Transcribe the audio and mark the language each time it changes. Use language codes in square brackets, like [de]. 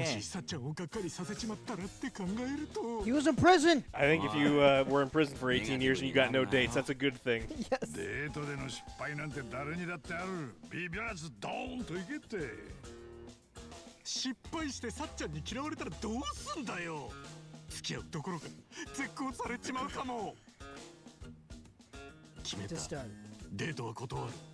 [ja] もしさっちゃんをがっかりさせちまったらって考えると。 [en] He was in prison! I think if you were in prison for 18 years and you got no dates, that's a good thing. Yes. [ja] デートでの失敗なんて誰にだってある。ビビらずドーンと行けって。失敗してさっちゃんに嫌われたらどうすんだよ。付き合うどころか絶交されちまうかも。決めた。デートは断る。